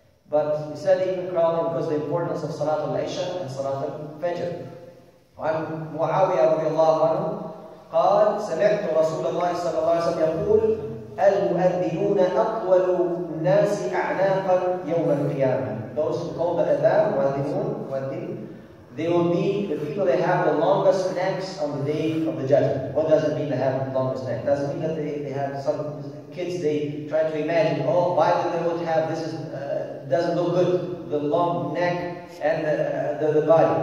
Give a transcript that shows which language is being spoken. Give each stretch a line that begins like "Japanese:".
English: But he said even crowding because of the importance of Salat al-Isha and Salat al-Fajr.
Arabic: وعن معاوية رضي الله عنه قال سمعت رسول الله صلى الله عليه وسلم يقول المؤذنون أطول الناس أعناقا يوم القيامة.
English: Those who call the adhan, muadhin, they will be the people that have the longest necks on the day of the judgment. What does it mean to have the longest neck? Does it mean that they have some kids, they try to imagine, oh, why did they would have this? Doesn't look good, the long neck and the body.